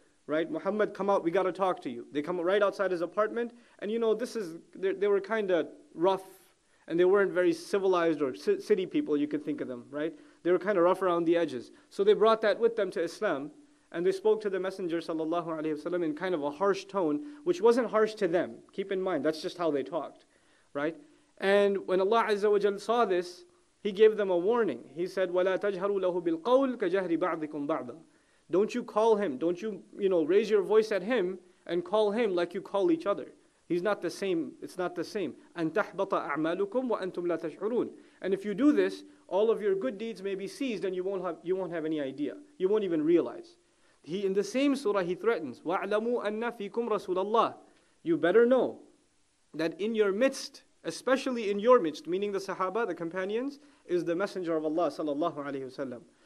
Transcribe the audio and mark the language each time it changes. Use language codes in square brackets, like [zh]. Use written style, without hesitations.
[en] Right, Muhammad, come out, we gotta talk to you. They come right outside his apartment, and you know, they were kinda rough, and they weren't very civilized or city people, you could think of them, right? They were kind of rough around the edges. So they brought that with them to Islam, and they spoke to the Messenger sallallahu alaihi wasallam in kind of a harsh tone, which wasn't harsh to them. Keep in mind, that's just how they talked, right? And when Allah Azza wa Jalla saw this, he gave them a warning. He said, [ar] وَلَا تَجْهَرُوا لَهُ بِالْقَوْلِ كَجَهْرِ بَعْضِكُمْ بَعْضًا. [en] Don't you call him, don't you, you know, raise your voice at him and call him like you call each other. He's not the same. It's not the same. [ar] أن تحبط أعمالكم وأنتم لا تشعرون. [en] And if you do this, all of your good deeds may be seized, and you won't have any idea. You won't even realize. He in the same surah he threatens. [ar] وَاعْلَمُوا أَنَّ فِيكُمْ رَسُولَ اللَّهِ. [en] You better know that in your midst, especially in your midst, meaning the Sahaba, the companions, is the Messenger of Allah sallallahu alaihi wasallam.